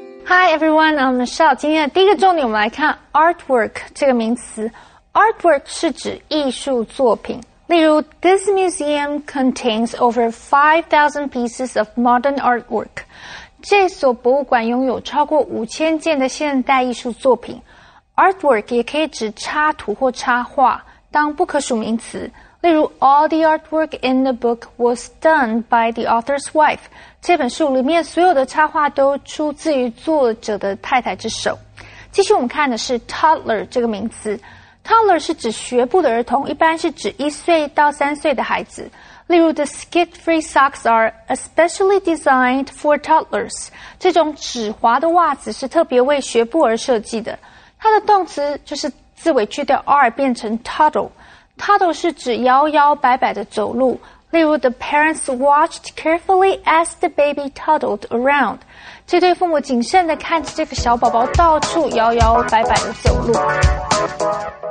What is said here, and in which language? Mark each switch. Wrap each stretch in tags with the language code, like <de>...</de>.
<en>Hi, everyone. I'm Michelle.</en> <zh>今天的第一个重点我们来看 artwork 这个名词。 Artwork 是指艺术作品。例如</zh> <en>This museum contains over 5,000 pieces of modern artwork.</en> <zh>这所博物馆拥有超过5000件的现代艺术作品。 Artwork 也可以指插图或插画，当不可数名词。例如</zh> <en>All the artwork in the book was done by the author's wife.</en> <zh>这本书里面所有的插画都出自于作者的太太之手。继续我们看的是 toddler 这个名词。Toddler 是指学步的儿童，一般是指1岁到3岁的孩子。例如</zh> <en>The skid-free socks are especially designed for toddlers.</en> <zh>这种止滑的袜子是特别为学步而设计的。它的动词就是字尾去掉 r 变成 toddle。 Toddle 是指摇摇摆摆的走路。例如</zh> <en>The parents watched carefully as the baby toddled around.</en> <zh>这对父母谨慎地看着这个小宝宝到处摇摇摆摆地走路。</zh>